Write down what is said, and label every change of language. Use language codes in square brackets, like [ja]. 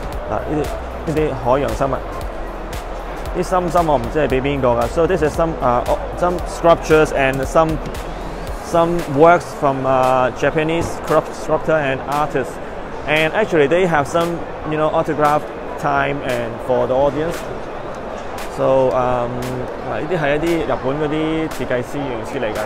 [yue] 嗱，呢啲海洋生物，啲心我唔知係俾邊個噶。 [en] So this is some sculptures and some works from Japanese sculptor and artist. And actually they have some you know autograph time and for the audience. [yue] So 呢啲係一啲日本嗰啲設計師原型師嚟㗎。